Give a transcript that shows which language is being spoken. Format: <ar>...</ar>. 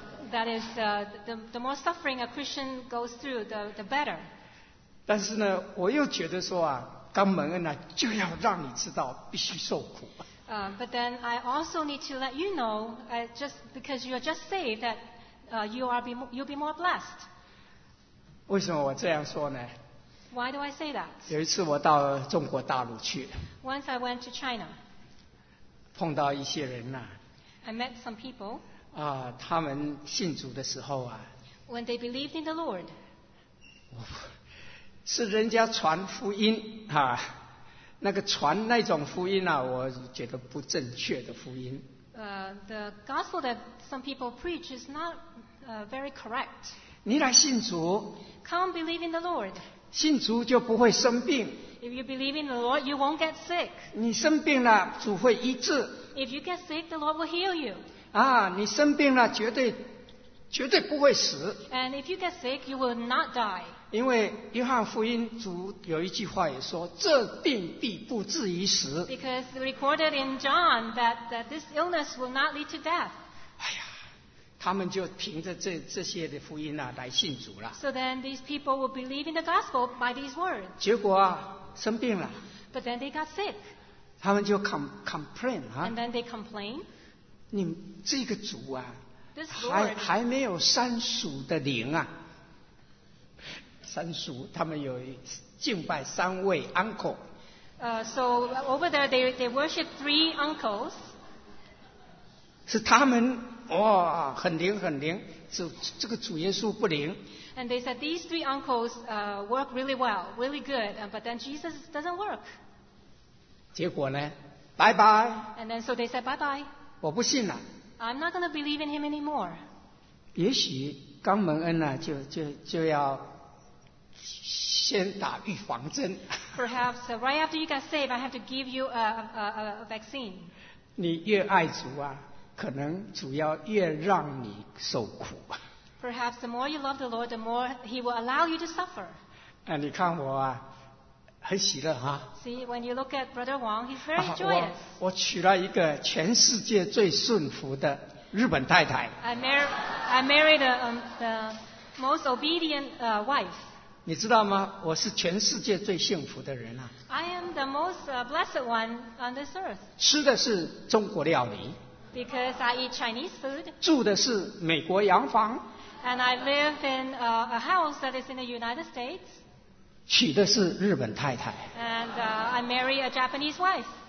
<en>That is the more suffering a Christian goes through, the better.</en> <zh>但是呢，我又觉得说啊，刚蒙恩呢，就要让你知道必须受苦。</zh> <en>But then I also need to let you know, just because you are just saved, that you'll be more blessed.</en> <zh>为什么我这样说呢</zh> <en>？Why do I say that?</en> <zh>有一次我到中国大陆去。</zh> <en>Once I went to China.</en> <zh>碰到一些人呐。</zh> <en>I met some people.</en> <zh>他们信主的时候啊</zh> <en>When they believed in the Lord</en> <zh>是人家传福音、啊、那个传那种福音啊我觉得不正确的福音、</zh> <en>The gospel that some people preach is not very correct</en> <zh>你来信主</zh> <en>Come believe in the Lord</en> <zh>信主就不会生病</zh> <en>If you believe in the Lord, you won't get sick</en> <zh>你生病了主会医治</zh> <en>If you get sick, the Lord will heal you</en> <zh>你生病了绝对不会死</zh> <en>And if you get sick, you will not die.</en> <zh>因为约翰福音主有一句话也说这病必不至于死</zh> <en>Because recorded in John that this illness will not lead to death.</en> <zh>哎呀他们就凭着 这些的福音、啊、来信主了</zh> <en>So then these people will believe in the gospel by these words.</en> <zh>结果啊生病了</zh> <en>But then they got sick.</en> <zh>他们就 complain.、啊、</zh> <en>And then they complain.</en> <zh>你这个主啊</zh> <en>Lord,</en> <zh>还没有三属的灵啊三属他们有敬拜三位 uncle、</zh> <en>So over there they worship three uncles</en> <zh>是他们哇、哦、很灵很灵这个主耶稣不灵</zh> <en>And they said these three uncles work really well really good but then Jesus doesn't work</en> <zh>结果呢拜拜</zh> <en>And then so they said bye bye</en> <zh>我不信了</zh> <en>I'm not going to believe in him anymore</en> <zh>也许刚蒙恩、啊、就要先打预防针。</zh> <en>Perhaps right after you got saved, I have to give you a vaccine.</en> <zh>你越爱主啊，可能主要越让你受苦。</zh> <en>Perhaps the more you love the Lord, the more He will allow you to suffer.</en> <zh>你看我啊，很喜乐哈。</zh> <en>See, when you look at Brother Wang, he's very joyous.</en> <zh>我娶了一个全世界最顺服的日本太太。</zh> <en>I married the most obedient wife.</en> <zh>你知道吗？我是全世界最幸福的人啊。</zh> <en>I am the most blessed one on this earth.</en> <zh>吃的是中国料理。</zh> <en>Because I eat Chinese food.</en> <zh>住的是美国洋房。</zh> <en>And I live in a house that is in the United States.</en> <zh>娶的是日本太太。</zh> <en>And I marry a Japanese wife.</en>